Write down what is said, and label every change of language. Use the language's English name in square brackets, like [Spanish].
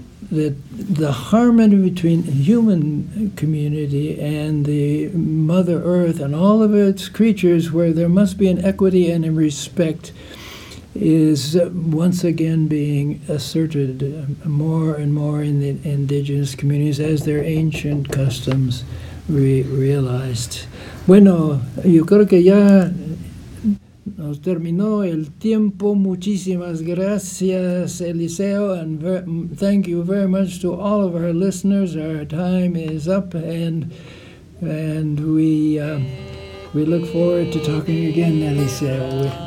[English] the harmony between human community and the Mother Earth and all of its creatures, where there must be an equity and a respect, is once again being asserted more and more in the indigenous communities as their ancient customs realized. [Spanish] Bueno, yo creo que ya nos terminó el tiempo. Muchísimas gracias, [English] Eliseo, and thank you very much to all of our listeners. Our time is up, and we look forward to talking again, Eliseo.